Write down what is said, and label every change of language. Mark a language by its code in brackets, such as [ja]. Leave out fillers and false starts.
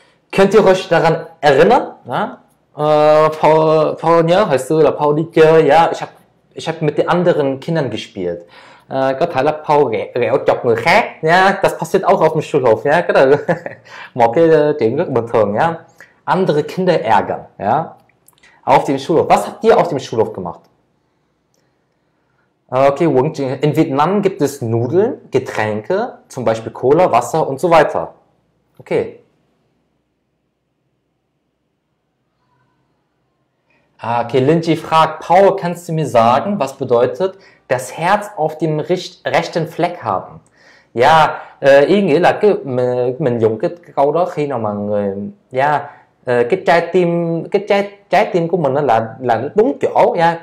[de] Könnt ihr euch daran erinnern? Ja? [vi] Paul, nhớ hồi xưa là Paul đi chơi, ja? [de] Ich hab mit den anderen Kindern gespielt. [vi] Có thể là Paul rẻo chọc người khác, ja? [de] Das passiert auch auf dem Schulhof. Ja? [vi] Cái đó là một cái chuyện rất bình thường. [de] Ja? Andere Kinder ärgern, ja. Auf dem Schulhof. Was habt ihr auf dem Schulhof gemacht? Okay, in Vietnam gibt es Nudeln, Getränke, zum Beispiel Cola, Wasser und so weiter. Okay. Okay, Linji fragt, Paul, kannst du mir sagen, was bedeutet, das Herz auf dem rechten Fleck haben? [vi] Ja, ý nghĩa là mình dùng cái câu đó khi nào mà người, ja, cái trái tim của mình là đúng chỗ nha.